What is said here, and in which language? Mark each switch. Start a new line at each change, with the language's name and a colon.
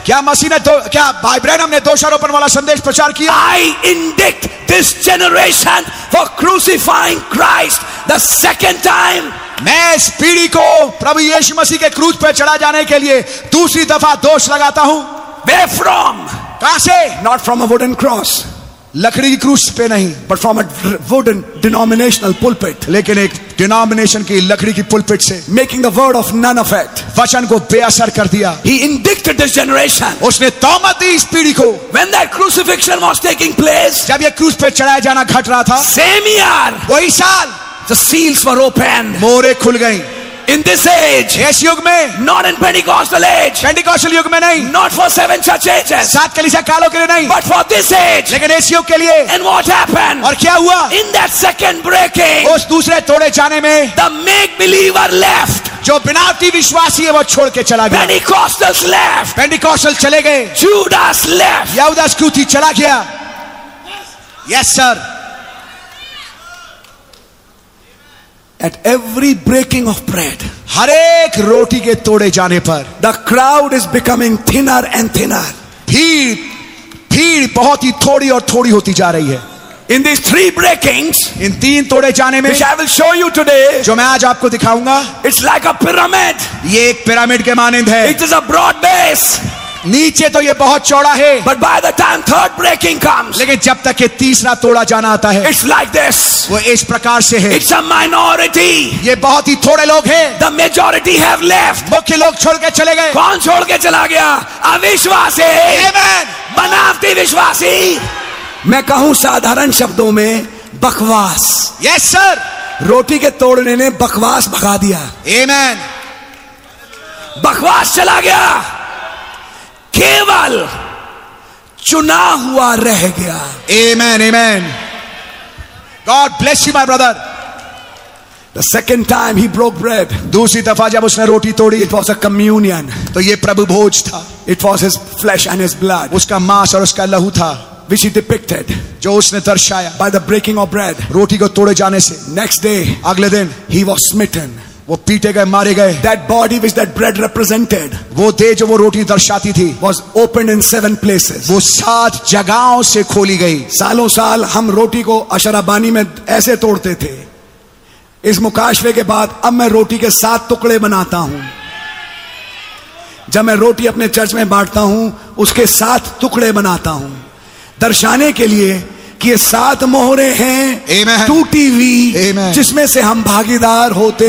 Hindi: क्या मसीह ने क्या भाई ब्रैनम ने दोषारोपण वाला संदेश प्रचार किया?
English: I indict this generation for crucifying Christ the second time.
Hindi: मैं इस पीढ़ी को प्रभु यीशु मसीह के क्रूस पर चढ़ा जाने के लिए दूसरी दफा दोष लगाता हूं.
English: Where from?
Hindi: कहां से?
English: Not from a wooden cross.
Hindi: लकड़ी की क्रूस पे नहीं.
English: But from a wooden denominational pulpit.
Hindi: लेकिन एक डिनोमिनेशन की लकड़ी की पुलपिट से.
English: Making the word of none effect.
Hindi: वचन को बेअसर कर दिया.
English: He indicted this generation.
Hindi: उसने तौमत दी इस पीढ़ी को.
English: When that crucifixion was taking place.
Hindi: जब ये क्रूस पे चढ़ाया जाना घट रहा था.
English: Same year.
Hindi: वही साल.
English: The seals were opened.
Hindi: मोहरें खुल गईं.
English: In this age,
Hindi: yes, युग में,
English: not in Pentecostal age,
Hindi: Pentecostal युग में नहीं,
English: not for seven church ages,
Hindi: सात कलीसिया कालों के लिए नहीं,
English: but for this age,
Hindi: लेकिन इस युग के लिए,
English: and what happened,
Hindi: और क्या हुआ,
English: in that second breaking,
Hindi: उस दूसरे तोड़े जाने में,
English: the make believer left,
Hindi: जो बिनावती विश्वासी है वो छोड़ के चला गया,
English: Pentecostals left,
Hindi: Pentecostal चले गए,
English: Judas left,
Hindi: यहूदास क्यूती चला गया,
English: yes sir. At every breaking of bread,
Hindi: हर एक रोटी के तोड़े जाने पर,
English: the crowd is becoming thinner and thinner.
Hindi: भीड़ बहुत ही थोड़ी और थोड़ी होती जा रही है.
English: In these three breakings,
Hindi: इन तीन तोड़े जाने में,
English: which I will show you today,
Hindi: जो मैं आज आपको दिखाऊंगा,
English: it's like a pyramid.
Hindi: ये एक पिरामिड के मानिंद है.
English: It is a broad base.
Hindi: नीचे तो ये बहुत चौड़ा है.
English: But by the time third breaking comes,
Hindi: लेकिन जब तक ये तीसरा तोड़ा जाना आता है,
English: it's like this,
Hindi: वो इस प्रकार से है.
English: It's a minority,
Hindi: ये बहुत ही थोड़े लोग हैं.
English: The majority have left,
Hindi: मुख्य लोग छोड़ के चले गए. कौन छोड़ के चला गया? अविश्वासी.
English: Amen.
Hindi: बनावटी विश्वासी. मैं कहूं साधारण शब्दों में, बकवास.
English: Yes sir.
Hindi: रोटी के तोड़ने ने बकवास भगा दिया.
English: Amen.
Hindi: बकवास चला गया, केवल चुना हुआ रह गया.
English: Amen, amen. God bless you, my brother. The second time he broke bread,
Hindi: दूसरी दफा जब उसने रोटी तोड़ी,
English: it was a communion.
Hindi: तो ये प्रभु भोज था.
English: It was his flesh and his blood.
Hindi: उसका मांस और उसका लहू था.
English: Which he depicted,
Hindi: जो उसने दर्शाया,
English: by the breaking of bread,
Hindi: रोटी को तोड़े जाने से.
English: Next day,
Hindi: अगले दिन,
English: he was smitten.
Hindi: वो पीटे गए, मारे गए.
English: That body which that bread represented,
Hindi: वो देह जो वो रोटी दर्शाती थी,
English: was opened in seven places,
Hindi: वो सात जगहों से खोली गई. सालों साल हम रोटी को अशराबानी में ऐसे तोड़ते थे, इस मुकाशवे के बाद अब मैं रोटी के सात टुकड़े बनाता हूं. जब मैं रोटी अपने चर्च में बांटता हूं, उसके सात टुकड़े बनाता हूं, दर्शाने के लिए कि ये सात मोहरे हैं टूटी हुई, जिसमें से हम भागीदार होते